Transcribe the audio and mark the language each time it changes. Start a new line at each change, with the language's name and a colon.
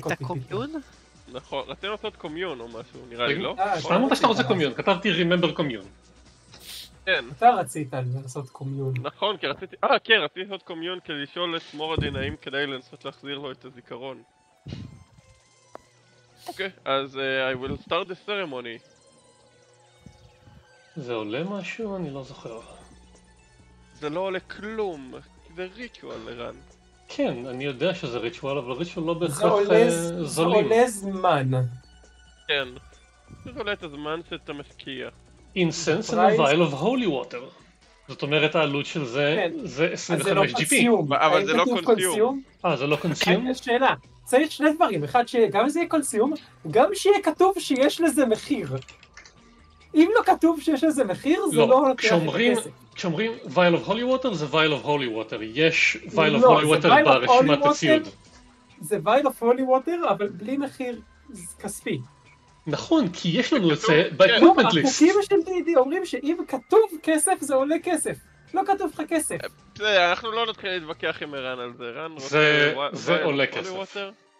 Hebrew: אותי. עשית קומיון? נכון, רצינו לעשות קומיון או משהו, נראה לי, לא? אתה אמרת שאתה רוצה קומיון, כתבתי Remember קומיון. כן. אתה רצית לעשות קומיון. נכון, כי רציתי... כן, רציתי לעשות קומיון כדי לשאול את מורדין האם כדי לנסות להחזיר לו את הזיכרון. אוקיי, אז
English: I will start the ceremony.
Hebrew: זה עולה משהו? אני לא זוכר. זה לא עולה כלום, זה ריטואל לרן. כן, אני יודע שזה ריטואל, אבל ריטואל לא בהכרח זולים. זה עולה זמן. כן. זה עולה את הזמן שאתה משקיע.
English: Incense and a vial of holy water.
Hebrew: זאת אומרת, העלות של זה, זה 25 GP. אבל זה לא קונסיום. זה לא קונסיום? שאלה. צריך שני דברים. אחד, שגם זה יהיה קונסיום, גם שיהיה כתוב שיש לזה מחיר. אם לא כתוב שיש לזה מחיר, זה לא לוקח את הכסף. כשאומרים Vial of Holy Water, זה Vial of Holy Water. יש Vial of Holy Water ברשימת הציוד. זה Vial of Holy Water, אבל בלי מחיר כספי. נכון, כי יש לנו את זה ב-Equipment List. החוקים של D&D אומרים שאם כתוב כסף, זה עולה כסף. לא כתוב לך כסף. אנחנו לא נתחיל להתווכח עם ערן על זה. ערן רוצה
English: Vial of Holy Water.